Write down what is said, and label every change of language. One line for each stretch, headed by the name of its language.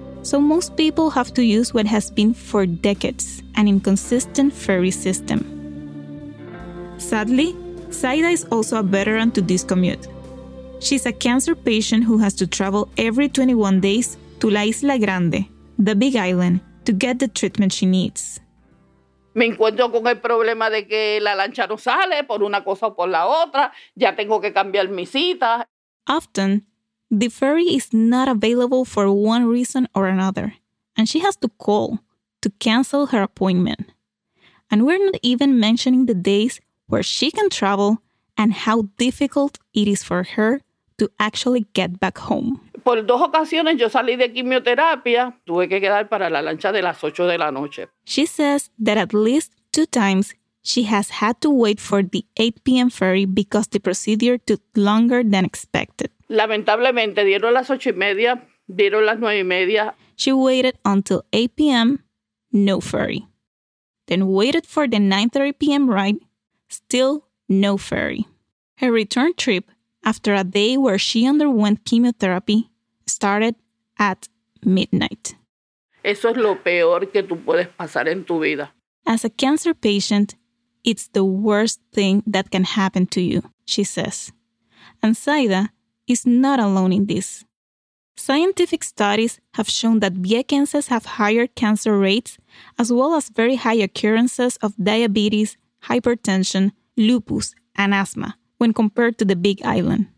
English: So most people have to use what has been for decades an inconsistent ferry system. Sadly, Zaida is also a veteran to this commute. She's a cancer patient who has to travel every 21 days to La Isla Grande, the Big Island, to get the treatment she needs.
Spanish: Me encuentro con el problema de que la lancha no sale por una cosa o por la otra. Ya tengo que cambiar mi cita.
English: Often, the ferry is not available for one reason or another, and she has to call to cancel her appointment. And we're not even mentioning the days where she can travel and how difficult it is for her to actually get back home.
Spanish: Por dos ocasiones yo salí de quimioterapia, tuve que quedar para la lancha de las 8 de la noche.
English: She says that at least two times she has had to wait for the 8 p.m. ferry because the procedure took longer than expected.
Spanish: Lamentablemente, dieron las 8 y media, dieron las 9 y media.
English: She waited until 8 p.m., no ferry. Then waited for the 9:30 p.m. ride, still no ferry. Her return trip, after a day where she underwent chemotherapy, started at midnight.
Spanish: Eso es lo peor que tú puedes pasar en tu vida.
English: As a cancer patient, it's the worst thing that can happen to you, she says. And Zaida is not alone in this. Scientific studies have shown that Viequenses have higher cancer rates as well as very high occurrences of diabetes, hypertension, lupus, and asthma when compared to the Big Island.